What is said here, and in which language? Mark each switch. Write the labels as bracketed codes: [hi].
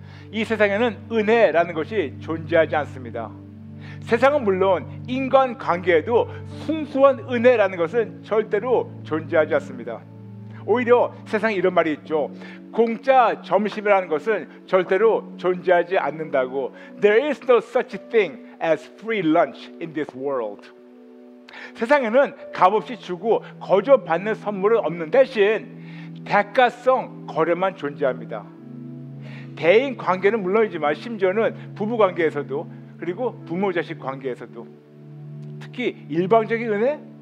[ko] 이 세상에는 은혜라는 것이 존재하지 않습니다. 세상은 물론 인간관계에도 순수한 은혜라는 것은 절대로 존재하지 않습니다. 오히려 세상에 이런 말이 있죠. 공짜 점심이라는 것은 절대로 존재하지 않는다고. [en] There is no such thing as free lunch in this world. [ko] 세상에는 값없이 주고 거저 받는 선물은 없는 대신 대가성 거래만 존재합니다. 대인 관계는 물론이지만 심지어는 부부 관계에서도 그리고 부모 자식 관계에서도 특히 일방적인 은혜?